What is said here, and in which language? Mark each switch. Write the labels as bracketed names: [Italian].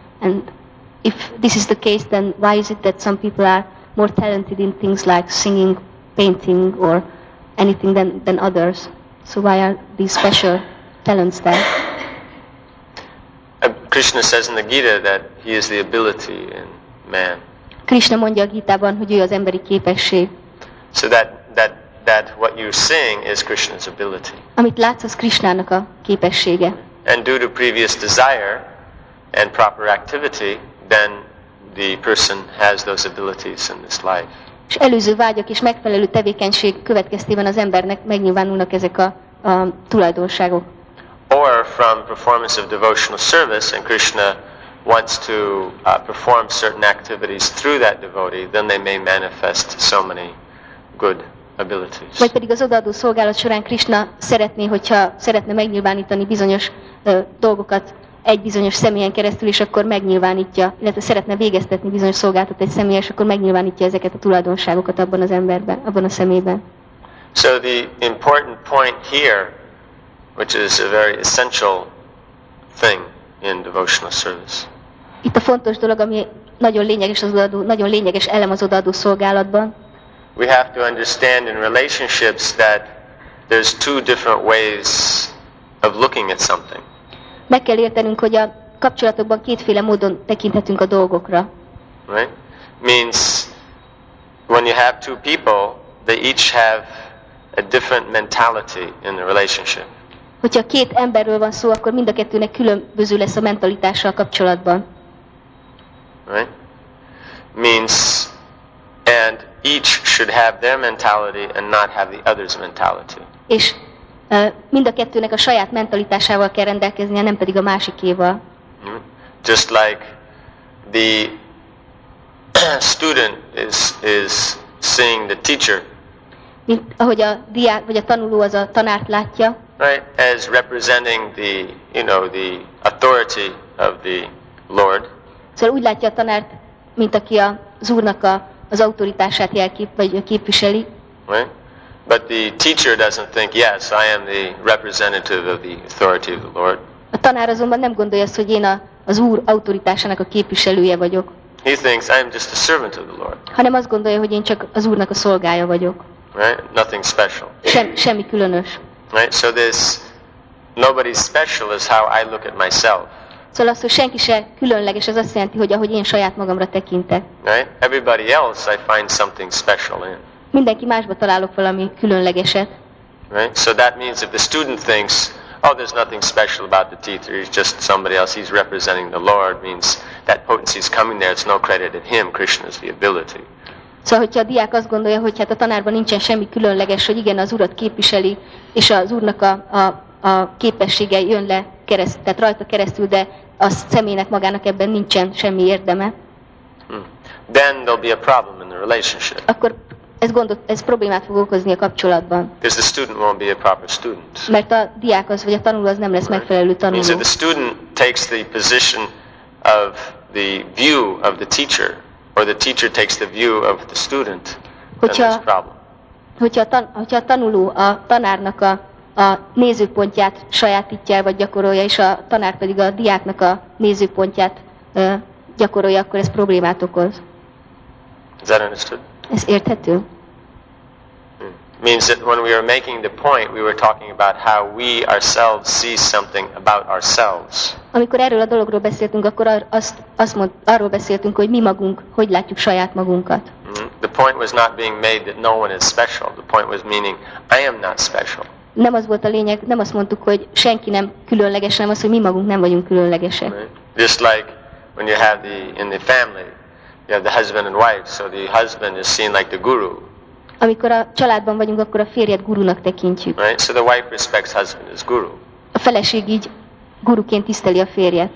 [English] And if this is the case, then why is it that some people are more talented in things like singing painting or anything than others. So why are these special talents there? Krishna says in the Gita that he is the ability in man. [Hungarian] Krishna mondja a Gitában, hogy ő az emberi képesség. [English] So that what you're seeing is Krishna's ability. [Hungarian] Amit látsz, az Krishnának a képessége. [English] And due to previous desire and proper activity, then the person has those abilities in this life. [Hungarian] És előző vágyak és megfelelő tevékenység következtében az embernek megnyilvánulnak ezek a tulajdonságok. [English] Or from performance of devotional service, and Krishna wants to perform certain activities through that devotee, then they may manifest so many good abilities. [Hungarian] Vagy pedig az odaadó szolgálat során Krishna szeretné, hogyha szeretne megnyilvánítani bizonyos dolgokat egy bizonyos személyen keresztül, és akkor megnyilvánítja, illetve szeretne végeztetni bizonyos szolgáltat egy személyes, akkor megnyilvánítja ezeket a tulajdonságokat abban az emberben, abban a személyben. [English] So the important point here, which is a very essential thing in devotional service. [Hungarian] Itt a fontos dolog, ami nagyon lényeges az odaadó, nagyon lényeges elem az odaadó szolgálatban. [English] We have to understand in relationships that there's two different ways of looking at something. [Hungarian] Meg kell értenünk, hogy a kapcsolatokban kétféle módon tekinthetünk a dolgokra. [English] Right? Means when you have two people, they each have a different mentality in the relationship. [Hungarian] Hogyha két emberről van szó, akkor mind a kettőnek különböző lesz a mentalitása a kapcsolatban. [English] Right? Means and each should have their mentality and not have the other's mentality. [Hungarian] És mind a kettőnek a saját mentalitásával kell rendelkeznie, nem pedig a másikéval. [English] Just like the student is seeing the teacher. [Hungarian] Mint ahogy a diák vagy a tanuló az a tanárt látja. [English] Right, as representing the, you know, the authority of the Lord. [Hungarian] Szóval úgy látja a tanárt, mint aki az Úrnak az autoritását jelkép, vagy képviseli. [English] Right. But the teacher doesn't think, yes, I am the representative of the authority of the Lord. [Hungarian] A tanár azonban nem gondolja azt, hogy én az Úr autoritásának a képviselője vagyok. [English] He thinks, I am just a servant of the Lord. [Hungarian] Hanem azt gondolja, hogy én csak az Úrnak a szolgája vagyok. [English] Right? Nothing special. [Hungarian] Semmi különös. [English] Right? So this nobody special is how I look at myself. [Hungarian] Szóval azt, hogy senki se különleges, az azt jelenti, hogy ahogy én saját magamra tekintek. [English] Right? Everybody else I find something special in. [Hungarian] Mindenki másba találok valami különlegeset. [English] Right? So that means if the student thinks, oh, there's nothing special about the teacher, he's just somebody else, he's representing the Lord, means that potency is coming there, it's no credit in him, Krishna is the ability. [Hungarian] Szóval, hogyha a diák azt gondolja, hogy hát a tanárban nincsen semmi különleges, hogy igen, az Urat képviseli, és az Úrnak a képessége jön le keresztül, tehát rajta keresztül, de a személynek magának ebben nincsen semmi érdeme. [English] Then there'll be a problem in the relationship. [Hungarian] Akkor ez problémát fog okozni a kapcsolatban. [English] Because the student won't be a proper student. [Hungarian] Mert a diák az, vagy a tanuló az nem lesz megfelelő tanuló. [English] Means if the student takes the position of the view of the teacher, or the teacher takes the view of the student, [Hungarian] hogyha, [English] then there's a problem. [Hungarian] Hogyha a tanuló a tanárnak a nézőpontját sajátítja vagy gyakorolja, és a tanár pedig a diáknak a nézőpontját gyakorolja, akkor ez problémát okoz. [English] Is that understood? [Hungarian] Ez érthető. [English] Means that when we are making the point, we were talking about how we ourselves see something about ourselves. [Hungarian] Amikor erről a dologról beszéltünk, akkor arról beszéltünk, hogy mi magunk, hogy látjuk saját magunkat. [English] The point was not being made that no one is special. The point was meaning I am not special. [Hungarian] Nem az volt a lényeg, nem azt mondtuk, hogy senki nem különleges, hanem az, hogy mi magunk nem vagyunk különlegesek. [English] Just like when you have in the family, you have the husband and wife, so the husband is seen like the guru. [Hungarian] Amikor a családban vagyunk, akkor a férjet gurunak tekintjük. [English] Right? So the wife respects husband as guru. [Hungarian] A feleség így guruként tiszteli a férjet.